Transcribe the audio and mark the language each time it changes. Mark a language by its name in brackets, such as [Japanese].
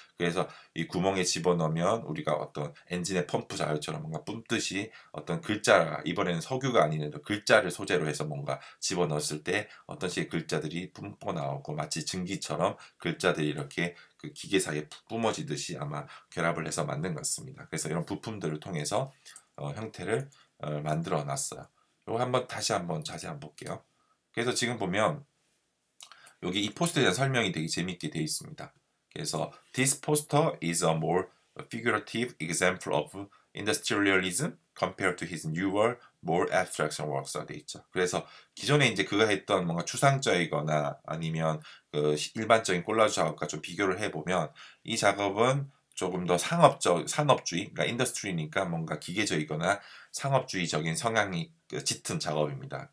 [Korean] 그래서 이 구멍에 집어넣으면 우리가 어떤 엔진의 펌프 자유처럼 뭔가 뿜듯이 어떤 글자가, 이번에는 석유가 아닌 글자를 소재로 해서 뭔가 집어넣었을 때 어떤 식의 글자들이 뿜어 나오고 마치 증기처럼 글자들이 이렇게 그 기계 사이에 뿜어지듯이 아마 결합을 해서 만든 것 같습니다. 그래서 이런 부품들을 통해서 형태를 만들어 놨어요. 이거 한번 다시 한번 자세히 한번 볼게요. 그래서 지금 보면 여기 이 포스터에 대한 설명이 되게 재밌게 되어 있습니다. 그래서 [English] This poster is a more figurative example of industrial realism compared to his newer, more abstract works. [Korean] 되어 있죠. 그래서 기존에 이제 그가 했던 뭔가 추상적이거나 아니면 그 일반적인 콜라주 작업과 좀 비교를 해보면 이 작업은 조금 더 상업적, 산업주의, 그러니까 industry니까 뭔가 기계적이거나 상업주의적인 성향이 짙은 작업입니다.